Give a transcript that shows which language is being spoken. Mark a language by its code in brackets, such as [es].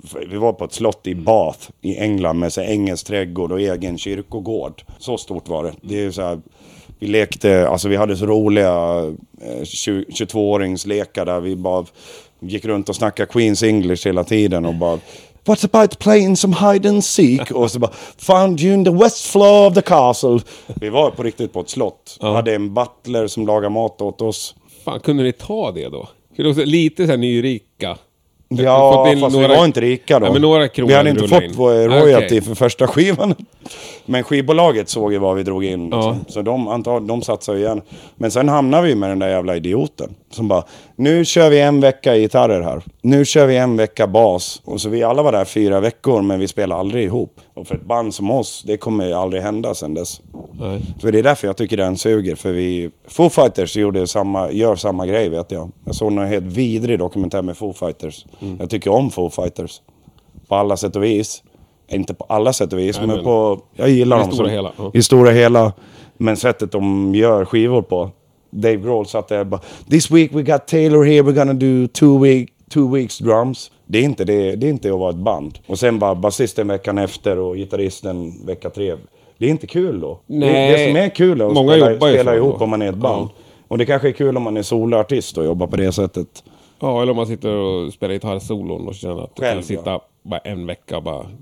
[sv] Vi var på ett slott i Bath i England med sig engelsk trädgård och egen kyrkogård. Så stort var det. Det är så här, vi lekte, alltså vi hade så roliga 22-åringslekar där vi bara gick runt och snackade Queen's English hela tiden och bara... [en] What about playing some hide and seek? [sv] Och så bara, [en] found you in the west floor of the castle. [sv] Vi var på riktigt på ett slott. Ja. Vi hade en butler som lagade mat åt oss. Fan, kunde ni ta det då? Lite så här nyrika. Ja, fast några... vi var inte rika då. Nej, men några kronor vi hade inte fått vår royalty för första skivan. Men skivbolaget såg ju vad vi drog in. Liksom. Ja. Så de satsade igen. Men sen hamnade vi med den där jävla idioten. Som bara, nu kör vi en vecka gitarrer här. Nu kör vi en vecka bas. Och så vi alla var där 4 veckor, men vi spelade aldrig ihop. Och för ett band som oss, det kommer ju aldrig hända sen dess. Nej. Så det är därför jag tycker den suger. För vi, Foo Fighters gör samma grej, vet jag. Jag såg någon helt vidrig dokumentär med Foo Fighters. Mm. Jag tycker om Foo Fighters. På alla sätt och vis. Inte på alla sätt och vis, men på... Jag gillar dem. I stora hela. Men sättet de gör skivor på. Dave Grohl satt där och bara... [en] This week we got Taylor here, we're gonna do two weeks drums. [sv] Det är inte att vara ett band. Och sen bara bassisten veckan efter och gitarristen vecka 3. Det är inte kul då. Nej. Det som är kul är att spela ihop då. Om man är ett band. Mm. Och det kanske är kul om man är soloartist och jobbar på det sättet. Ja, eller om man sitter och spelar gitarr solon och känner att själv, du kan sitta bara en vecka och bara...